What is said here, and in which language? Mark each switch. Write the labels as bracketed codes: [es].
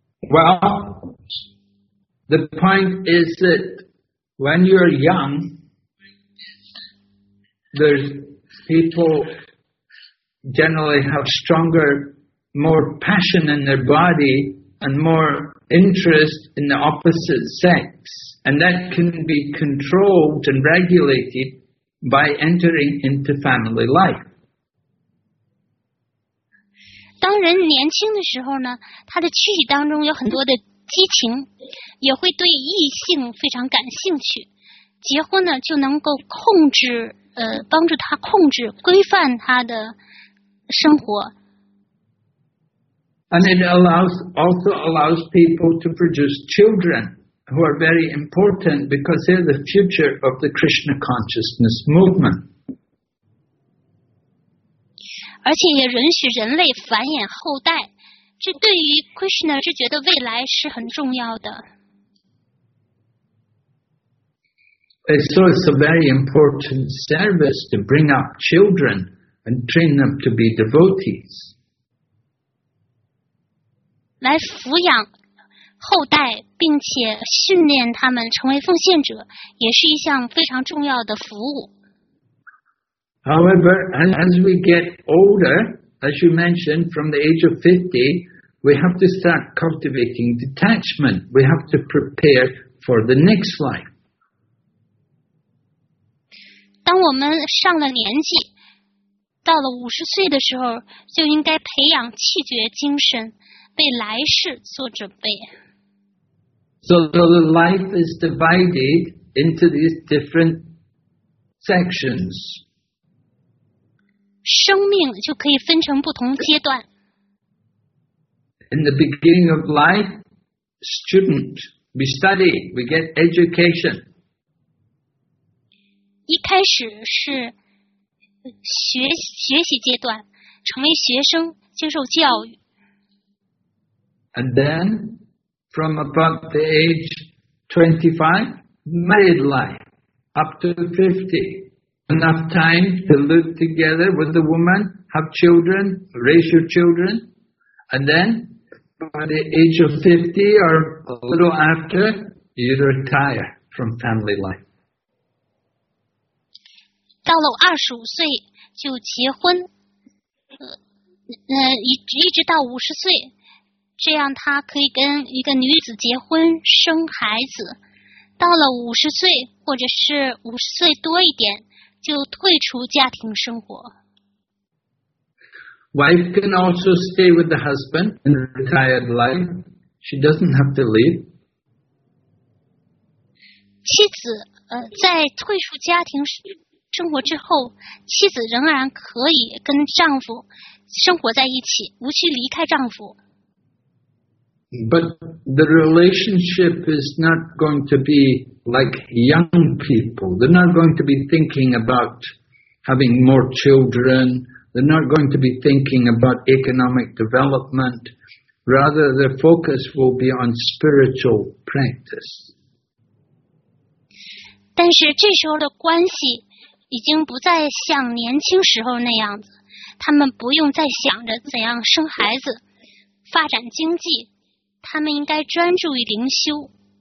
[en] Well, the point is that when you're young, people generally have stronger, more passion in their body and more interest in the opposite sex. And that can be controlled and regulated by entering into family life. [zh] 当人年轻的时候呢，他的躯体当中有很多的激情，也会对异性非常感兴趣。结婚呢，就能够控制帮助他控制、规范他的生活。 [en] And it allows, also allows people to produce children who are very important because they're the future of the Krishna consciousness movement. [zh] 而且也允许人类繁衍后代，这对于 Krishna 是觉得未来是很重要的。 [en] So it's a very important service to bring up children and train them to be devotees. [zh] 来抚养后代，并且训练他们成为奉献者，也是一项非常重要的服务。 [en] However, as we get older, as you mentioned, from the age of 50, we have to start cultivating detachment. We have to prepare for the next life. [zh] 当我们上了年纪，到了五十岁的时候，就应该培养气绝精神，为来世做准备。 [en] So the life is divided into these different sections. [zh] 生命就可以分成不同阶段。 [en] In the beginning of life, student, we study, we get education. [zh] 一开始是学习阶段，成为学生，接受教育。 [en] And then, from about the age 25, married life, up to 50. Enough time to live together with the woman, have children, raise your children, and then by the age of 50 or a little after, you retire from family life. [zh] 到了25岁就结婚，一直到50岁，这样他可以跟一个女子结婚，生孩子。到了50岁或者是50岁多一点，就退出家庭生活。 [en] Wife can also stay with the husband in retired life. She doesn't have to leave. [zh] 妻子在退出家庭生活之后，妻子仍然可以跟丈夫生活在一起，无需离开丈夫。 [en] But the relationship is not going to be. Like young people, they're not going to be thinking about having more children. They're not going to be thinking about economic development. Rather, their focus will be on spiritual practice. [zh] 但是这时候的关系已经不再像年轻时候那样子，他们不用再想着怎样生孩子、发展经济，他们应该专注于灵修。